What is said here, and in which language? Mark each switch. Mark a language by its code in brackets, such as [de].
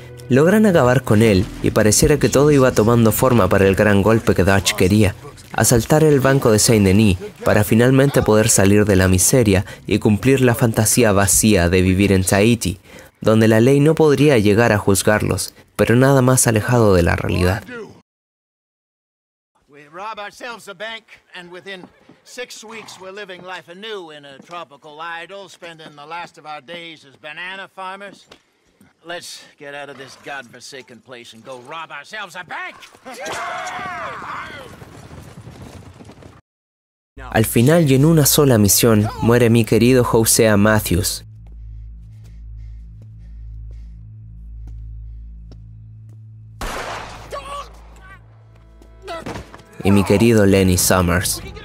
[es] Logran acabar con él y pareciera que todo iba tomando forma para el gran golpe que Dutch quería, asaltar el banco de Saint-Denis para finalmente poder salir de la miseria y cumplir la fantasía vacía de vivir en Tahití, donde la ley no podría llegar a juzgarlos, pero nada más alejado de la realidad. [en] Rob ourselves a bank, and within 6 weeks we're living life anew in a tropical idyll, spending the last of our days as banana farmers. Let's get out of this godforsaken place and go rob ourselves a bank! [es] Al final y en una sola misión, muere mi querido Hosea Matthews. Y mi querido Lenny Summers.